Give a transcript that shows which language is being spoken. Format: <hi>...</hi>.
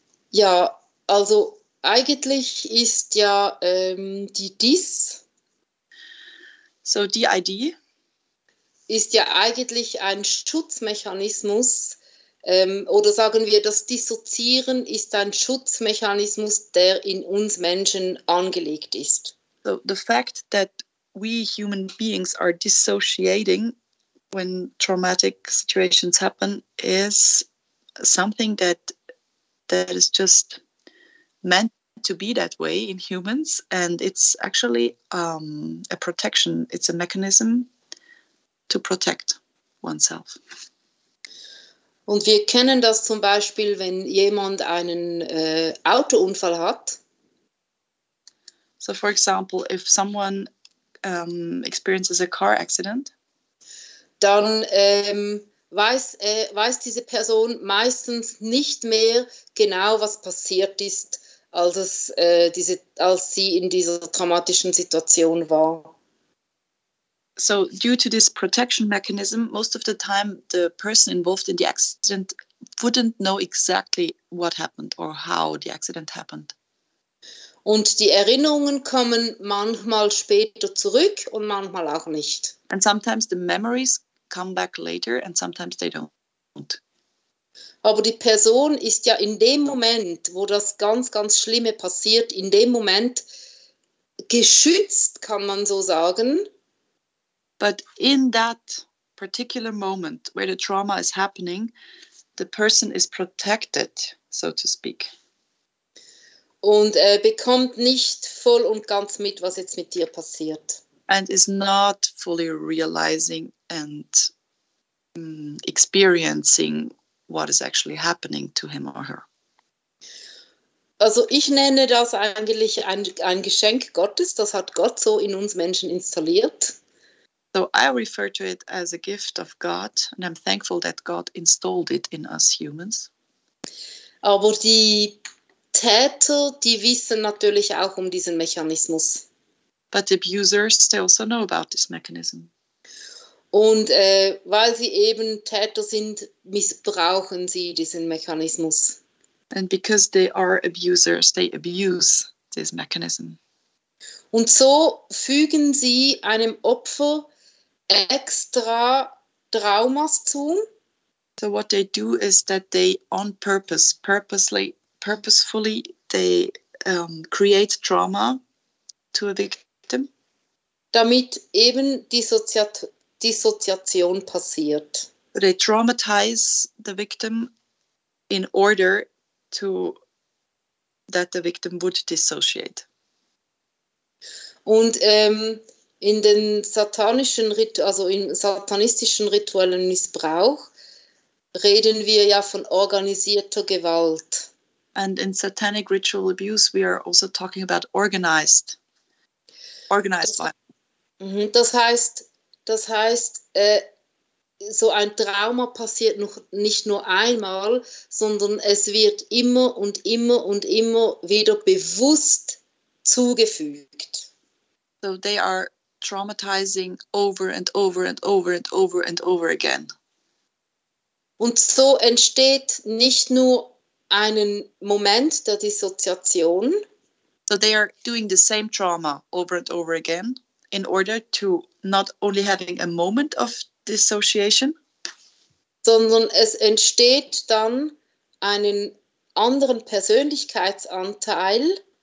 <de>Ja, also eigentlich ist ja die DIS.</de> <en>So DID.</en> <de>Ist ja eigentlich ein Schutzmechanismus, oder sagen wir, das Dissoziieren ist ein Schutzmechanismus, der in uns Menschen angelegt ist.</de> <en>So the fact that we human beings are dissociating when traumatic situations happen is something that is just meant to be that way in humans, and it's actually a protection, it's a mechanism to protect oneself.</en> <de>Und wir kennen das zum Beispiel, wenn jemand einen Autounfall hat.</de> <en>So for example, if someone experiences a car accident,</en> <de>dann weiß diese Person meistens nicht mehr genau, was passiert ist, als sie in dieser traumatischen Situation war.</de> <en>So due to this protection mechanism, most of the time the person involved in the accident wouldn't know exactly what happened or how the accident happened.</en> <de>Und die Erinnerungen kommen manchmal später zurück und manchmal auch nicht.</de> <en>And sometimes the memories come back later and sometimes they don't.</en> <de>Aber die Person ist ja in dem Moment, wo das ganz, ganz Schlimme passiert, in dem Moment geschützt, kann man so sagen.</de> <en>But in that particular moment where the trauma is happening, the person is protected, so to speak.</en> <de>und bekommt nicht voll und ganz mit, was jetzt mit dir passiert.</de> <en>And is not fully realizing and experiencing what is actually happening to him or her.</en> <de>Also ich nenne das eigentlich ein Geschenk Gottes, das hat Gott so in uns Menschen installiert.</de> <en>So I refer to it as a gift of God and I'm thankful that God installed it in us humans.</en> <de>Aber die Täter, die wissen natürlich auch um diesen Mechanismus.</de> <en>But the abusers, they also know about this mechanism.</en> <de>Und weil sie eben Täter sind, missbrauchen sie diesen Mechanismus.</de> <en>And because they are abusers, they abuse this mechanism.</en> <de>Und so fügen sie einem Opfer extra Traumas zu.</de> <en>So what they do is that they on purpose, purposefully, they create trauma to a victim.</en> <de>Damit eben Dissoziation passiert.</de> <en>They traumatize the victim in order to that the victim would dissociate.</en> <de>Und in den satanistischen rituellen Missbrauch reden wir ja von organisierter Gewalt.</de> <en>And in satanic ritual abuse we are also talking about organized violence.</en> <de>Das heißt, so ein Trauma passiert noch nicht nur einmal, sondern es wird immer und immer und immer wieder bewusst zugefügt.</de> <en>So they are traumatizing over and over and over and over and over again.</en> <de>Und so entsteht nicht nur einen Moment der Dissoziation.</de> <en>So they are doing the same trauma over and over again in order to not only having a moment of dissociation,</en> <de>sondern es entsteht dann einen anderen Persönlichkeitsanteil.</de>